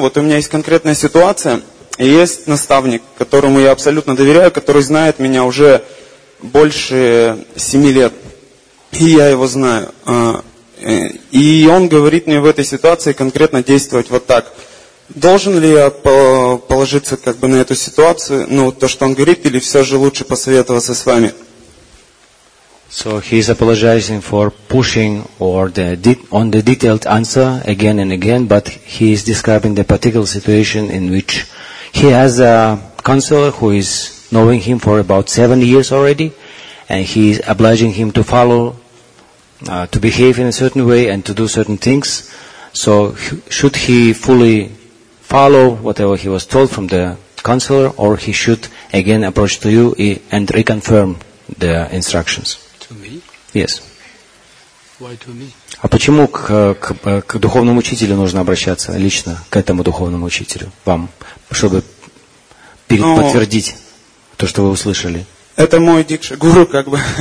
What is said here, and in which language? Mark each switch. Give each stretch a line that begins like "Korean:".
Russian: Вот у меня есть конкретная ситуация. Есть наставник, которому я абсолютно доверяю, который знает меня уже больше 7 лет. И я его знаю. И он говорит мне в этой ситуации конкретно действовать вот так. Должен ли я положиться как бы на эту ситуацию, ну, то, что он говорит, или все же лучше посоветоваться с вами?
English: So he's apologizing for pushing or on the detailed answer again and again, but he is describing the particular situation in which he has a counselor who is knowing him for about 7 years already, and he is obliging him to follow to behave in a certain way and to do certain things. So should he fully follow whatever he was told from the counselor, or he should again approach to you and reconfirm the instructions? To me? Yes. Why to me?
Russian: А почему к духовному учителю нужно обращаться лично, к этому духовному учителю, вам, чтобы подтвердить то, что вы услышали? Это мой дикша-гуру, как бы.